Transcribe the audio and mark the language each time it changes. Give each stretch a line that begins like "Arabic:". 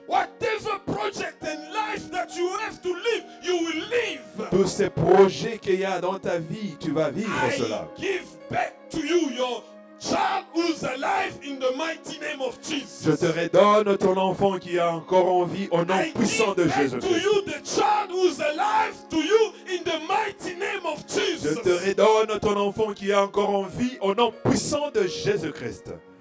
English: Whatever project and life that you have to live, you will live.
French: Tous ces projets qu'il y a dans ta vie, tu vas vivre
English: I
French: cela.
English: I give back to you your child who's alive in the mighty name of Jesus.
French: Je te redonne ton enfant qui a encore en vie au nom
English: I
French: puissant
English: give
French: de Jésus.
English: To you the child who's alive to you in the mighty name of Jesus.
French: Je te redonne ton enfant qui a encore en vie au nom puissant de Jésus-Christ.